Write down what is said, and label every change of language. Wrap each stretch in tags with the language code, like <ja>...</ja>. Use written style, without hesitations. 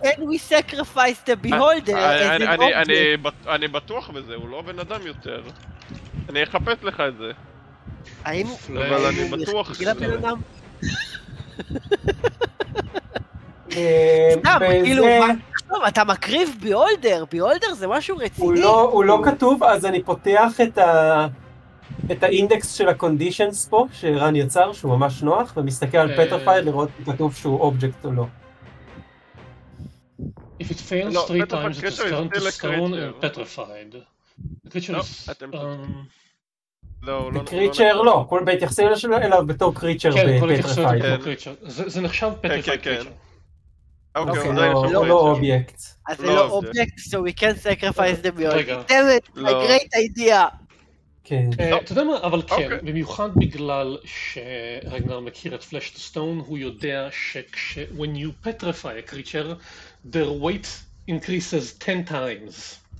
<en>And we sacrificed the beholder as an object.</en> <he>אני בטוח בזה, הוא לא בן אדם יותר. אני אחפש לך את זה. האם הוא נחשב בן אדם? סתם, כאילו, טוב, אתה מקריב beholder, beholder זה משהו רציני. הוא לא כתוב, אז אני פותח את את האינדקס של הקונדישנס פה, שרן יצר, שהוא ממש נוח, ומסתכל על פטרפייד לראות אם כתוב שהוא אובייקט או לא.</he> <en>If it fails 3 times, it's current to stone and petrified. The creature is...</en> <he>לא, הוא לא נכון.</he> <en>The creature</en> <he>לא, כל בהתייחסים אליו בתור creature בפטרפייד. כן, כל בהתייחסים אליו בתור</he> <en>creature.</en> <he>זה נחשב פטרפייד creature. אוקיי, הוא לא אובייקט. אז זה לא אובייקט,</he> <en>so we can sacrifice them. רגע. Damn it, a great idea.</en> <he>כן. אתה יודע מה? אבל כן, במיוחד בגלל שרגנר מכיר את Flesh to Stone, הוא יודע שכש...</he> <en>When you petrify a creature, their weight increases 10 times.</en>